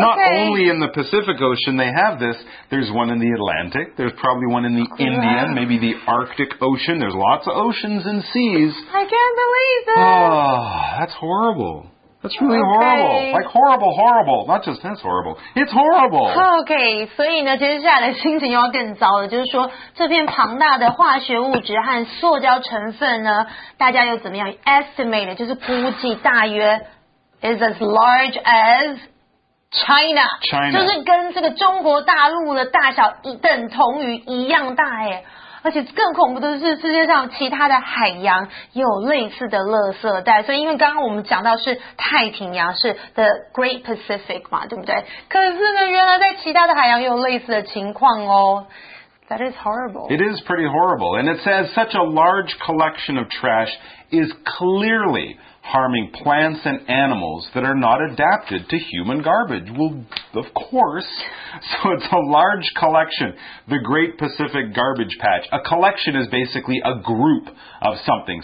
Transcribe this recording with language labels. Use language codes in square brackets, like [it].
[en] not only in the Pacific Ocean they have this. There's one in the Atlantic. There's probably one in the、 yeah. Indian, maybe the Arctic Ocean. There's lots of oceans and seas. I can't believe it. Oh, that's horrible. That's really、 okay. horrible. Like horrible, horrible. Not just that's horrible. It's horrible. [zh] Okay, 所以呢，接下来的心情又要更糟了。就是说，这片庞大的化学物质和塑胶成分呢，大家又怎么样 estimate 就是估计大约 [en] is as large as China. China. [zh] 就是跟这个中国大陆的大小等同于一样大耶。而且更恐怖的是世界上其他的海洋也有类似的垃圾带，所以因为刚刚我们讲到是太平洋，是 The Great Pacific 嘛，对不对？可是呢，原来在其他的海洋也有类似的情况哦。 [en] That is horrible. It is pretty horrible. And it says such a large collection of trash is clearly harming plants and animals that are not adapted to human garbage. Well, of course. So it's a large collection. The Great Pacific Garbage Patch. A collection is basically a group of something.